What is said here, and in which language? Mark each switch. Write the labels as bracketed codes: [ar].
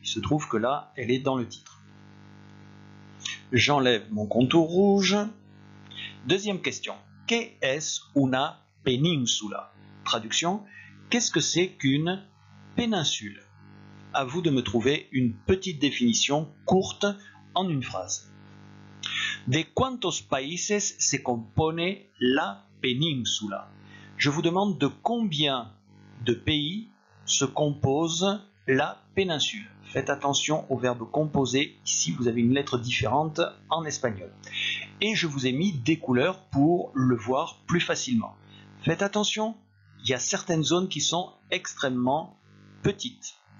[fr] Il se trouve que là, elle est dans le titre. J'enlève mon contour rouge. Deuxième question. [es] ¿Qué es una península? Traduction. [fr] Qu'est-ce que c'est qu'une péninsule? À vous de me trouver une petite définition courte en une phrase. [es] ¿De cuántos países se compone la península? [fr] Je vous demande de combien de pays se compose la péninsule. Faites attention au verbe composer, ici vous avez une lettre différente en espagnol. Et je vous ai mis des couleurs pour le voir plus facilement. Faites attention, il y a certaines zones qui sont extrêmement petites.